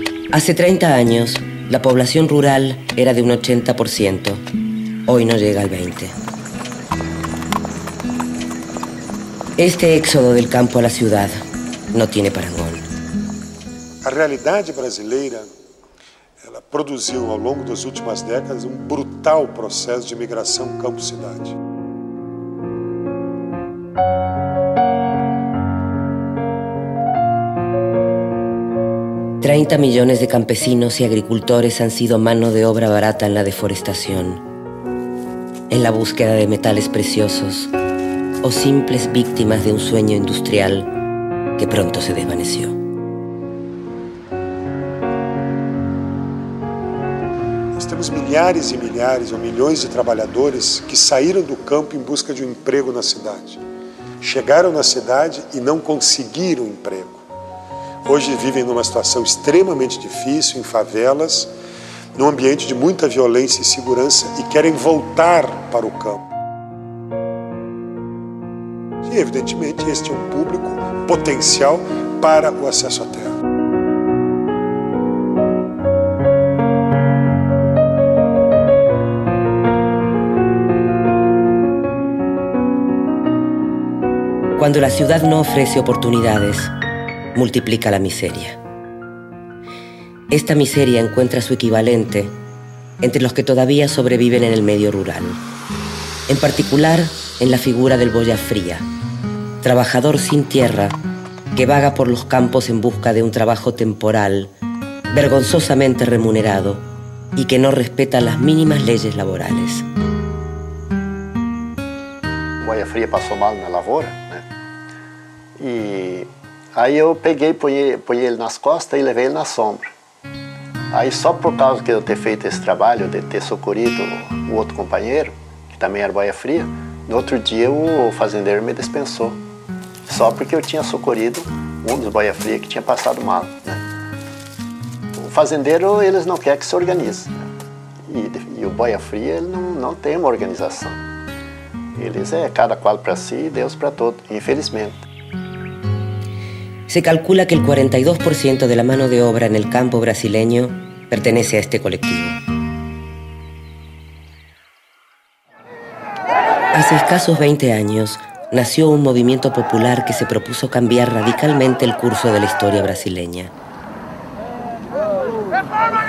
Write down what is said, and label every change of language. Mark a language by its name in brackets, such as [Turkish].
[Spanish] Hace 30 años, la población rural era de un 80%. Hoy no llega al 20%. Este éxodo del campo a la ciudad no tiene parangón. La realidad [Portuguese] brasileira ela produziu ao longo das últimas décadas um brutal processo de migração campo-cidade. Treinta millones de campesinos y agricultores han sido mano de obra barata en la deforestación, en la búsqueda de metales preciosos o simples víctimas de un sueño industrial que pronto se desvaneció. Nós temos milhares e milhares ou milhões de trabalhadores que saíram do campo em busca de um emprego na cidade. Chegaram na cidade e não conseguiram emprego. Hoje vivem numa situação extremamente difícil, em favelas, num ambiente de muita violência e insegurança e querem voltar para o campo. E, evidentemente, este é um público potencial para o acesso à terra. Quando a cidade não oferece oportunidades, multiplica [Spanish] la miseria. Esta miseria encuentra su equivalente entre los que todavía sobreviven en el medio rural, en particular en la figura del boya fría, trabajador sin tierra que vaga por los campos en busca de un trabajo temporal, vergonzosamente remunerado y que no respeta las mínimas leyes laborales. Boya fría pasó mal en la labor, ¿eh? [Portuguese] Aí eu peguei, ponhei ele nas costas e levei ele na sombra. Aí só por causa de eu ter feito esse trabalho, de ter socorrido o outro companheiro, que também era boia fria, no outro dia o fazendeiro me dispensou. Só porque eu tinha socorrido um dos boia fria que tinha passado mal, né? O fazendeiro, eles não querem que se organize. Né? E o boia fria, ele não tem uma organização. Eles é cada qual para si e Deus para todo, infelizmente. [Spanish] Se calcula que el 42% de la mano de obra en el campo brasileño pertenece a este colectivo. Hace escasos 20 años nació un movimiento popular que se propuso cambiar radicalmente el curso de la historia brasileña. ¡Epa!